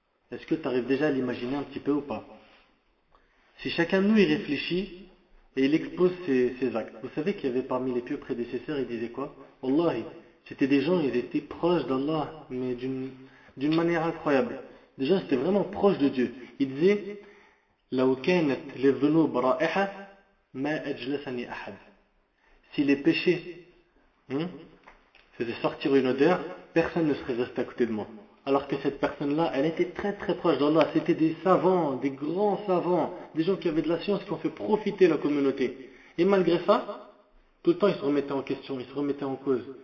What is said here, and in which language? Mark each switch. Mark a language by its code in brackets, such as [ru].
[fr] Est-ce que tu arrives déjà à l'imaginer un petit peu ou pas? Si chacun de nous y réfléchit et il expose ses actes, vous savez qu'il y avait parmi les pieux prédécesseurs, ils disaient quoi? Wallahi, c'était des gens, ils étaient proches d'Allah, mais d'une manière incroyable. Déjà, c'était vraiment proche de Dieu. Ils disaient, [ar] لَوْ كَانَتْ لِذُنُوبَ رَائِحَةً مَا أَجْلَسَنِي أَحَدٍ. [fr] Si les péchés faisaient sortir une odeur, personne ne serait resté à côté de moi. Alors que cette personne-là, elle était très très proche d'Allah. C'était des savants, des grands savants, des gens qui avaient de la science, qui ont fait profiter la communauté. Et malgré ça, tout le temps, ils se remettaient en question, ils se remettaient en cause.